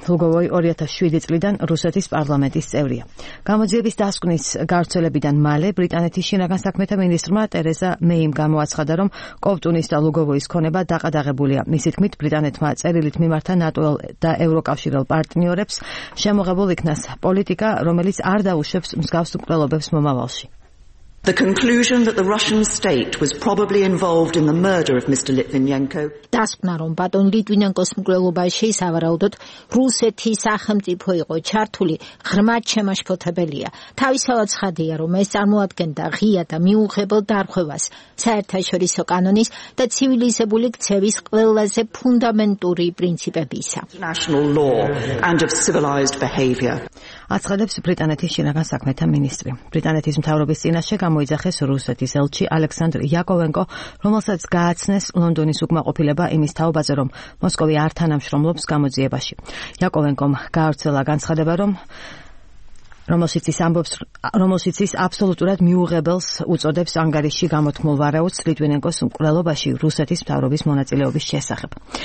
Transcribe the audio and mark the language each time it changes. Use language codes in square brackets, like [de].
[ka] ლუგოვოი 2007 წლიდან რუსეთის პარლამენტის წევრია. გამოძიების დასკვნის გავრცელებიდან მალე ბრიტანეთის შინაგან საქმეთა მინისტრმა ტერეზა მეიმ გამოაცხადა, რომ კოვტუნის და ლუგოვოის ქონება დაყადაღებულია. მისი თქმით, ბრიტანეთმა წერილით მიმართა ნატოელ და ევროკავშირელ პარტნიორებს შემოღებულ იქნას პოლიტიკა, რომელიც არ დაუშვებს მსგავს მკვლელობებს მომავალში. [en] The conclusion that the Russian state was probably involved in the murder of Mr. Litvinenko. [ka] დასკვნა, რომ ბატონ ლიტვინენკოს მკვლელობაში სავარაუდოდ რუსეთის სახელმწიფო იყო ჩართული, ღრმად შემაშფოთებელია. თავისუფლად ცხადია, რომ ეს წარმოადგენდა ღია და მიუღებელ დარღვევას საერთაშორისო კანონის და ცივილიზებული ქცევის ყველაზე ფუნდამენტური პრინციპებისა. [en] National law and of civilized behavior. [ka] აცხადებს ბრიტანეთის შინაგან საქმეთა მინისტრი. ბრიტანეთის მთავრობის წინაშე გამოიძახეს რუსეთის ელჩი ალექსანდრ იაკოვენკო, რომელსაც გააცნეს ლონდონის უკმაყოფილება იმის თაობაზე, რომ მოსკოვი არ თანამშრომლობს გამოძიებაში. იაკოვენკომ გაავრცელა განცხადება, რომ ის აბსოლუტურად მიუღებელს უწოდებს ანგარიში გამოთქმულ ვარაუდს ლიტვინენკოს მკვლელობაში რუსეთის მთავრობის მონაწილეობის შესახებ.